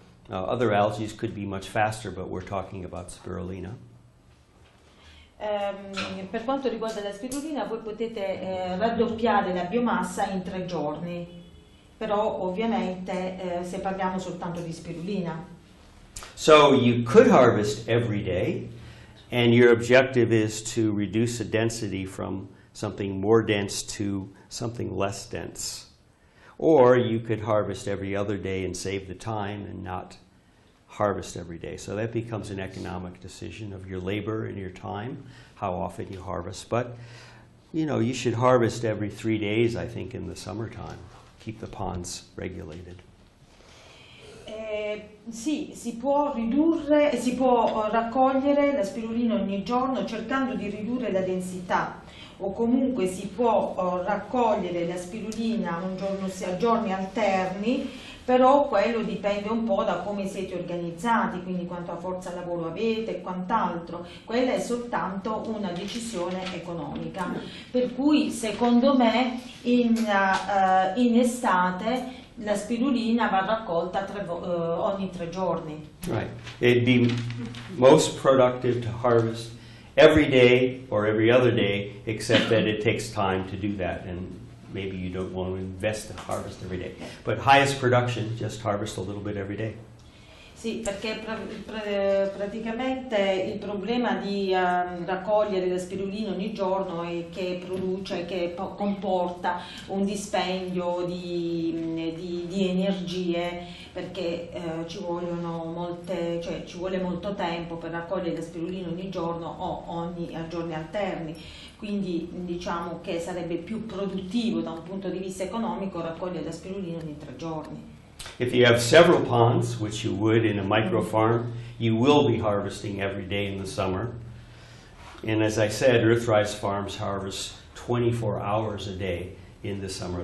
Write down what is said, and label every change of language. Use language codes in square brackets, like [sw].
[en] Other algae could be much faster, but we're talking about spirulina. [it] Per quanto riguarda la spirulina, voi potete raddoppiare la biomassa in 3 giorni, però ovviamente se parliamo soltanto di spirulina. [en] So you could harvest every day. And your objective is to reduce the density from something more dense to something less dense. Or you could harvest every other day and save the time and not harvest every day. So that becomes an economic decision of your labor and your time, how often you harvest. But, you know, you should harvest every 3 days, I think, in the summertime. Keep the ponds regulated. [it] Sì, si può ridurre, si può raccogliere la spirulina ogni giorno cercando di ridurre la densità. o comunque si può raccogliere la spirulina un giorno a giorni alterni, però quello dipende un po' da come siete organizzati, quindi quanta forza lavoro avete e quant'altro. Quella è soltanto una decisione economica. Per cui secondo me in estate la spirulina va raccolta ogni tre giorni. [en] Right. It'd be most productive to harvest every day or every other day, except that it takes time to do that. And maybe you don't want to invest in harvest every day. But highest production, just harvest a little bit every day. [it] Sì, perché praticamente il problema di raccogliere la spirulina ogni giorno è che produce, che comporta un dispendio di energie, perché ci vuole molto tempo per raccogliere la spirulina ogni giorno o a giorni alterni. Quindi diciamo che sarebbe più produttivo da un punto di vista economico raccogliere la spirulina ogni tre giorni. [en] If you have several ponds, which you would in a micro farm, you will be harvesting every day in the summer. And as I said, Earthrise Farms harvest 24 hours a day in the summer.